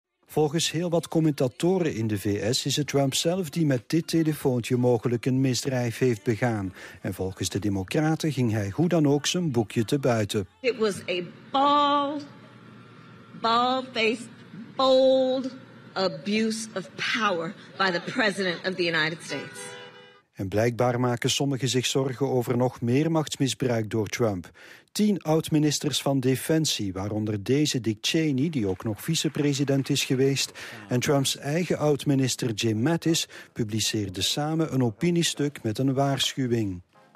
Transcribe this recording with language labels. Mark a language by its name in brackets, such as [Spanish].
[Dutch] Volgens heel wat commentatoren in de VS is het Trump zelf die met dit telefoontje mogelijk een misdrijf heeft begaan. En volgens de Democraten ging hij hoe dan ook zijn boekje te buiten. [English] It was a bald-faced, bold abuse of power by the president of the United States. [Dutch] En blijkbaar maken sommigen zich zorgen over nog meer machtsmisbruik door Trump. 10 oud-ministers van Defensie, waaronder deze Dick Cheney, die ook nog vicepresident is geweest, en Trumps eigen oud-minister Jim Mattis, publiceerden samen een opiniestuk met een waarschuwing.